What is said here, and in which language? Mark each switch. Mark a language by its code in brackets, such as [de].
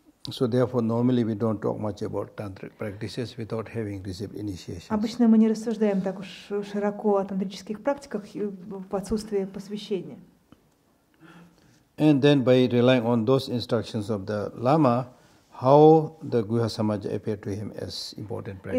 [en] So therefore, normally we don't talk much about tantric practices without having received initiation. [ru] Обычно мы не рассуждаем так уж широко о тантрических практиках в отсутствии посвящения. [en] And then by relying on those instructions of the Lama, how the Guha Samaja appeared to him as important practices.